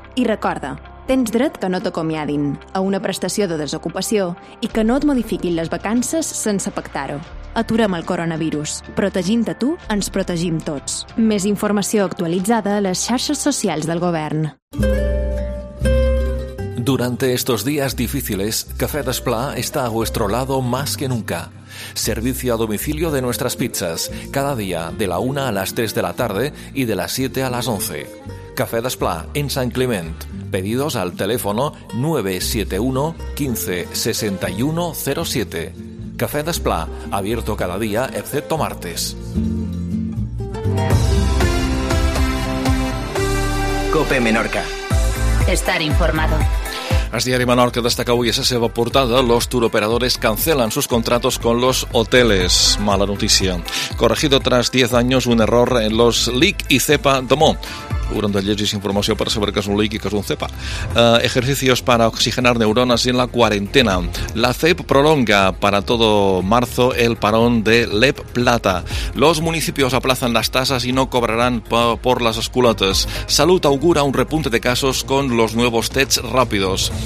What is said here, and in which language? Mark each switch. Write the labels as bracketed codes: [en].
[ca] I recorda, tens dret que no t'acomiadin a una prestació de desocupació i que no et modifiquin les vacances sense pactar-ho. Aturem el coronavirus. Protegint-te tu, ens protegim tots. Més informació actualitzada a les xarxes socials del govern. [es] Durante estos días difíciles, Café Desplá está a vuestro lado más que nunca. Servicio a domicilio de nuestras pizzas, cada día de la 1 a las 3 de la tarde y de las 7 a las 11. Café Desplá, en Sant Climent. Pedidos al teléfono 971 15 61 07. Café Desplá, abierto cada día excepto martes. COPE Menorca. Estar informado. [ca] El Diari Menorca destaca avui a la seva portada: [es] los turoperadores cancelan sus contratos con los hoteles. [ca] Mala notícia. [es] Corregido tras 10 años un error en los LIC y CEPA de Mont. [ca] Hauran de llegir informació per saber que és un LIC i que és un CEPA. [es] Ejercicios para oxigenar neuronas en la cuarentena. La CEP prolonga para todo marzo el parón de LEP Plata. Los municipios aplazan las tasas y no cobrarán por las esculates. Salud augura un repunte de casos con los nuevos tests rápidos.